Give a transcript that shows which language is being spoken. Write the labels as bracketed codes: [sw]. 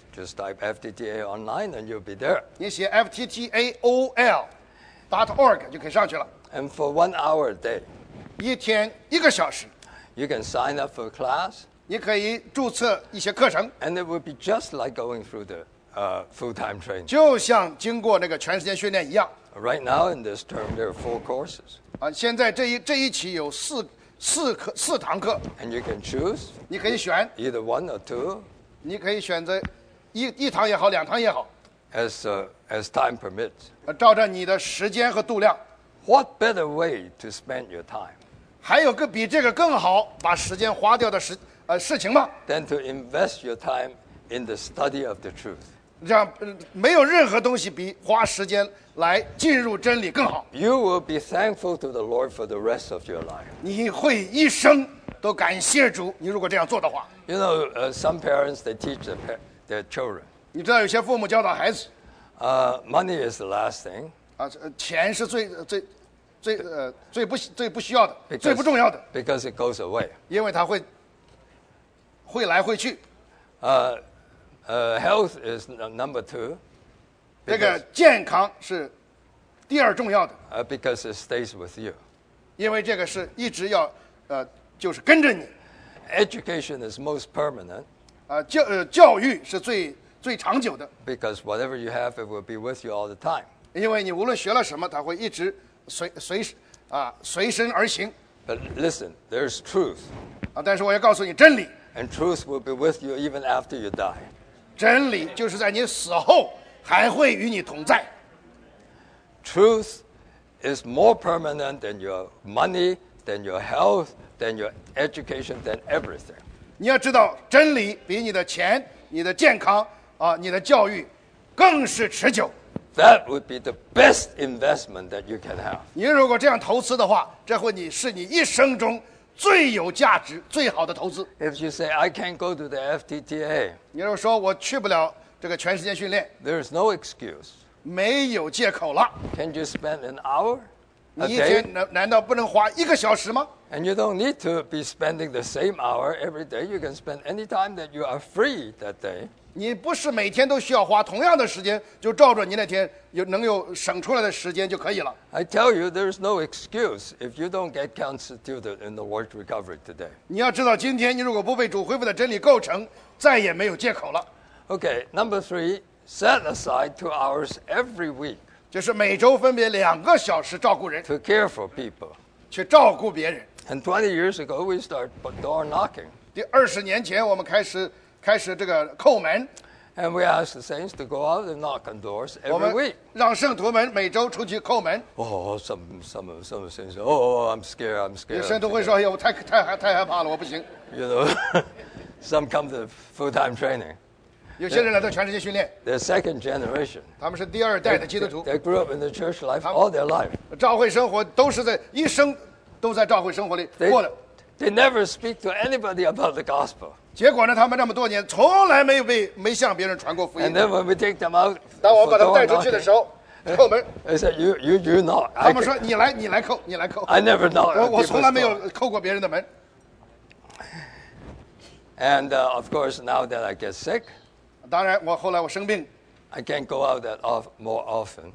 [en] Just type FTTA online and you'll be there. [zh] 你写 FTTAOL.org 就可以上去了。 [en] And for 1 hour a day. [zh] 一天一个小时。 [en] You can sign up for a class. [zh] 你可以注册一些课程。 [en] And it will be just like going through the full-time training. [zh] 就像经过那个全时间训练一样。 [en] Right now in this term there are 4 courses. [zh] 现在这一期有四堂课 [en] and you can choose [zh] 你可以选 [en] either one or two [zh] 你可以选择一堂也好两堂也好 [en] as time permits [zh] 照着你的时间和度量 [en] what better way to spend your time [zh] 还有个比这个更好把时间花掉的事情吗 [en] than to invest your time in the study of the truth [zh] 让没有任何东西比花时间来进入真理更好。 [en] You will be thankful to the Lord for the rest of your life. [zh] 你会一生都感谢主。你如果这样做的话。 [en] You know, some parents they teach their children. [zh] 你知道有些父母教导孩子。 [en] Money is the last thing. [zh] 钱是最不需要的， [en] because, [zh] 最不重要的。 [en] Because it goes away. [zh] 因为它会来会去。 [en] Health is number two. [zh] 这个健康是第二重要的。 [en] Because it stays with you. [zh] 因为这个是一直要就是跟着你。 [en] Education is most permanent. [zh] 教育是最长久的。 [en] Because whatever you have, it will be with you all the time. [zh] 因为你无论学了什么，它会一直随身而行。 [en] But listen, there's truth. [zh] 但是我要告诉你真理。 [en] And truth will be with you even after you die. [zh] 真理就是在你死后。还会与你同在。 [en] Truth is more permanent than your money, than your health, than your education, than everything. [zh] 你要知道，真理比你的钱、你的健康、你的教育更是持久。 [en] That would be the best investment that you can have. [zh] 您如果这样投资的话，这会你是你一生中最有价值、最好的投资。 [en] If you say I can't go to the FTTA, [zh] 你如果说我去不了这个全时间训练 [en] ，There is no excuse. [zh] 没有借口了。 [en] Can you spend an hour? [zh] 你一天难道不能花一个小时吗？ [en] And you don't need to be spending the same hour every day. You can spend any time that you are free that day. [zh] 你不是每天都需要花同样的时间，就照着你那天有能有省出来的时间就可以了。 [en] I tell you, there is no excuse if you don't get constituted in the world recovery today. [zh] 你要知道，今天你如果不被主恢复的真理构成，再也没有借口了。 [en] Okay, number three, set aside 2 hours every week. [zh] 就是每周分别2个小时照顾人。 [en] To care for people. [zh] 去照顾别人。 [en] And 20 years ago, we start door knocking. [zh] 第二十年前，我们开始这个叩门。 [en] And we ask the saints to go out and knock on doors every week. [zh] 我们让圣徒们每周出去叩门。 [en] Some saints say, "Oh, I'm scared." [zh] 有圣徒会说：“哎呦，太害怕了，我不行。 [en] ”You know, some come to full-time training. [zh] 有些人来到全世界训练。 [en] They're second generation. [zh] 他们是第二代的基督徒。 [en] They grew up in the church life all their life. [zh] 教会生活都是在一生都在教会生活里过的。 [en] They never speak to anybody about the gospel. [zh] 结果呢，他们那么多年从来没向别人传过福音。 [en] And then when we take them out, [zh] 当我把他带出去的时候，叩门。 [en] They said, "You knock." [zh] 他们说你来叩。 [en] I never knock. [zh] 我从来没有叩过别人的门。 [en] And of course, now that I get sick. [zh] 当然，我后来我生病 [en] ，I can't go out that off more often.